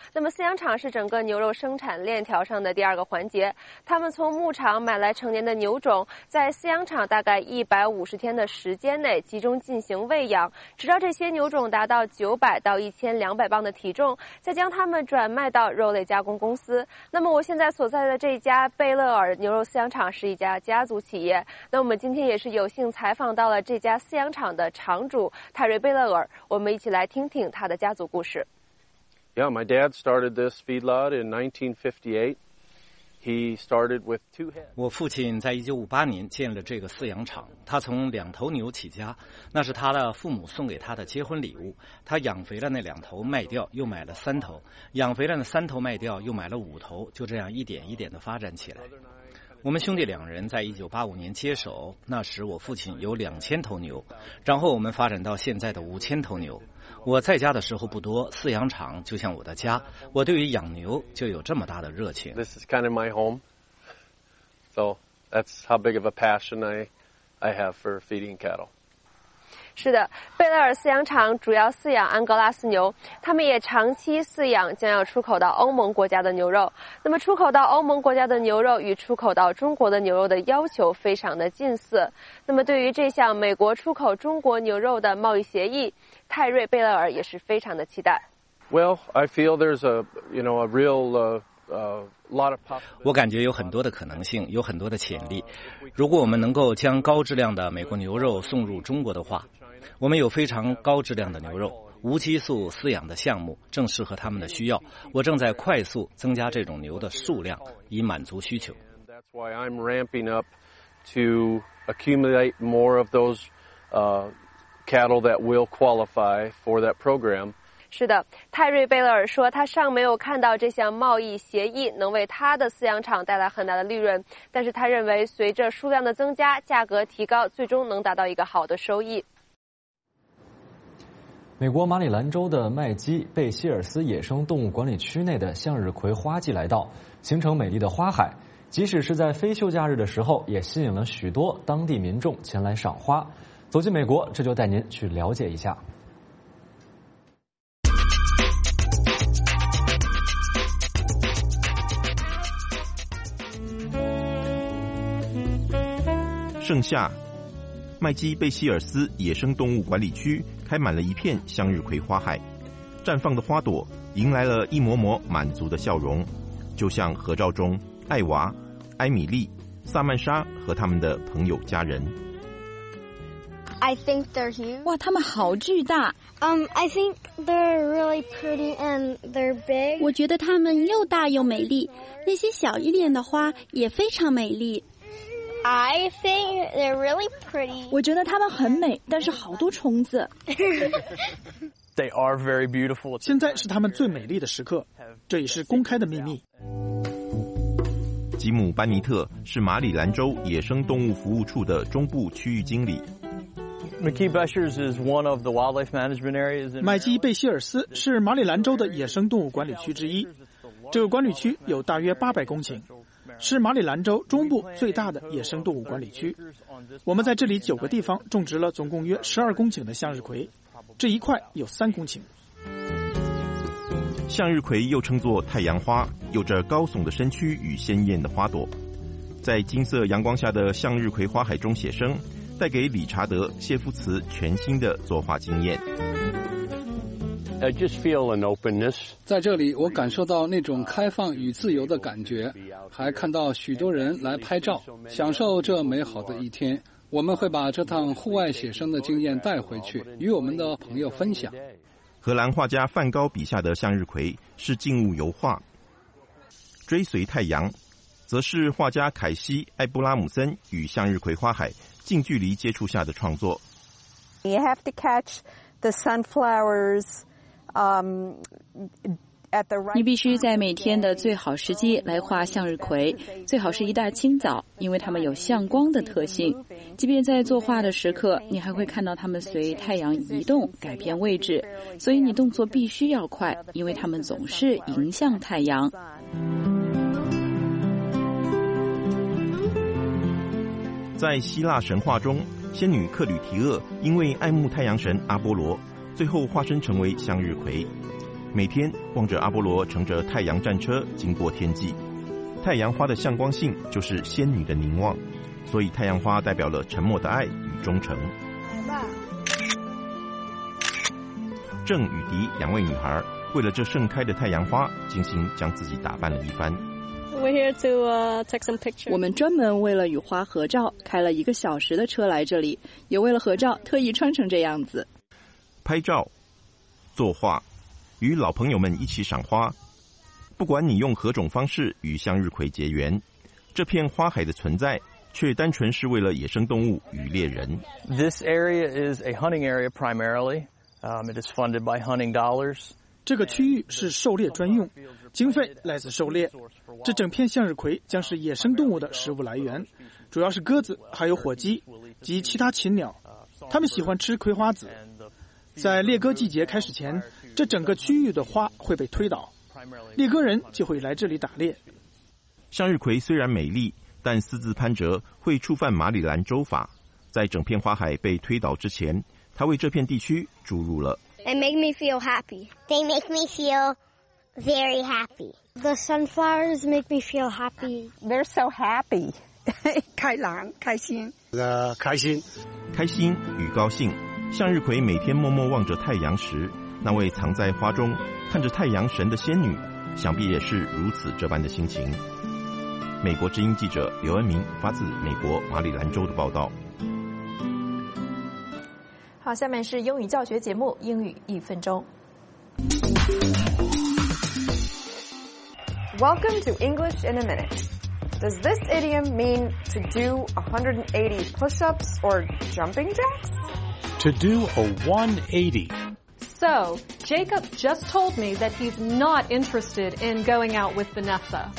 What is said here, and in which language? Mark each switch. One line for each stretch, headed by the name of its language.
Chinese: 那么饲养场是整个牛肉生产链条上的第二个环节，他们从牧场买来成年的牛种，在饲养场大概150天的时间内集中进行喂养，直到这些牛种达到900到1200磅的体重，再将它们转卖到肉类加工公司。那么我现在所在的这家贝勒尔牛肉饲养场是一家家族企业，那我们今天也是有幸采访到了这家饲养场的场主泰瑞·贝勒尔，我们一起来听听他的家族故事。
English: Yeah, my dad started this feedlot in 1958. He started with two heads.
Chinese: 我父亲在1958年建了这个饲养场，他从两头牛起家，那是他的父母送给他的结婚礼物。他养肥了那两头，卖掉又买了三头，养肥了那三头卖掉又买了五头，就这样一点一点的发展起来。我们兄弟两人在1985年接手，那时我父亲有2000头牛，然后我们发展到现在的5000头牛。我在家的时候不多，饲养场就像我的家，我对于养牛就有这么大的热情。
English: This is kind of my home, so that's how big of a passion I have for feeding cattle.
Chinese: 是的，贝勒尔饲养场主要饲养安格拉斯牛，他们也长期饲养将要出口到欧盟国家的牛肉。那么出口到欧盟国家的牛肉与出口到中国的牛肉的要求非常的近似。那么对于这项美国出口中国牛肉的贸易协议，泰瑞·贝勒尔也是非常的期待。
English: Well, I feel there's a, you know, a real, lot of possibility.
Chinese: 我感觉有很多的可能性，有很多的潜力。如果我们能够将高质量的美国牛肉送入中国的话，我们有非常高质量的牛肉，无激素饲养的项目正适合他们的需要。我正在快速增加这种牛的数量，以满足需求。
English: That's why I'm ramping up to accumulate more of those cattle that will qualify for that program.
Chinese: 是的，泰瑞·贝勒尔说他尚没有看到这项贸易协议能为他的饲养场带来很大的利润，但是他认为随着数量的增加，价格提高，最终能达到一个好的收益。美国马里兰州的麦基被希尔斯野生动物管理区内的向日葵花季来到，形成美丽的花海，即使是在非休假日的时候，也吸引了许多当地民众前来赏花。走进美国，这就带您去了解一下。盛夏，麦基贝希尔斯野生动物管理区开满了一片向日葵花海，绽放的花朵迎来了一抹抹满足的笑容，就像合照中艾娃、埃米丽、萨曼莎和他们的朋友家人。
English: I think they're huge.
Chinese: 哇，他们好巨大。
English: I think they're really pretty and they're big.
Chinese: 我觉得他们又大又美丽，那些小一点的花也非常美丽。
English: I think they're really pretty.
Chinese: 我觉得它们很美，但是好多虫子。
English: They are very beautiful.
Chinese: 现在是它们最美丽的时刻，这也是公开的秘密。吉姆·班尼特是马里兰州野生动物服务处的中部区域经理。
English: McKee-Beshers is one of the wildlife management areas.
Chinese: 麦基·贝希尔斯是马里兰州的野生动物管理区之一，这个管理区有大约800公顷。是马里兰州中部最大的野生动物管理区，我们在这里9个地方种植了总共约12公顷的向日葵，这一块有3公顷。向日葵又称作太阳花，有着高耸的身躯与鲜艳的花朵。在金色阳光下的向日葵花海中写生，带给理查德·谢夫茨全新的作画经验。
English: I just feel an openness.
Chinese: 在这里我感受到那种开放与自由的感觉，还看到许多人来拍照，享受这美好的一天。我们会把这趟户外写生的经验带回去，与我们的朋友分享。荷兰画家梵高笔下的向日葵是静物油画，追随太阳则是画家凯西·艾布拉姆森与向日葵花海近距离接触下的创作。
English: You have to catch the sunflowers at the right.
Chinese: 你必须在每天的最好时机来画向日葵，最好是一大清早，因为它们有向光的特性。即便在作画的时刻，你还会看到它们随太阳移动改变位置，所以你动作必须要快，因为它们总是迎向太阳。在希腊神话中，仙女克吕提厄因为爱慕太阳神阿波罗，最后化身成为向日葵，每天望着阿波罗乘着太阳战车经过天际。太阳花的向光性就是仙女的凝望，所以太阳花代表了沉默的爱与忠诚。郑与迪两位女孩为了这盛开的太阳花精心将自己打扮了一番。
English: We're here to take some pictures.
Chinese: 我们专门为了与花合照，开了一个小时的车来这里，也为了合照特意穿成这样子。拍照、作画、与老朋友们一起赏花，不管你用何种方式与向日葵结缘，这片花海的存在却单纯是为了野生动物与猎人。
English: This area is a hunting area primarily. It is funded by hunting dollars.
Chinese: 这个区域是狩猎专用。经费来自狩猎，这整片向日葵将是野生动物的食物来源，主要是鸽子，还有火鸡及其他禽鸟，它们喜欢吃葵花籽。在猎鸽季节开始前，这整个区域的花会被推倒，猎鸽人就会来这里打猎。向日葵虽然美丽，但私自攀折会触犯马里兰州法，在整片花海被推倒之前，它为这片地区注入了。
English: They make me feel happy. They make me feel. Very happy. The sunflowers make me feel happy. They're so happy.
Chinese: 开朗，开心。开心，开心与高兴。向日葵每天默默望着太阳时，那位藏在花中看着太阳神的仙女，想必也是如此这般的心情。美国之音记者刘恩明发自美国马里兰州的报道。好，下面是英语教学节目，英语一分钟。
English: Welcome to English in a Minute. Does this idiom mean to do 180 push-ups or jumping jacks? To do a 180. So, Jacob just told me that he's not interested in going out with Vanessa.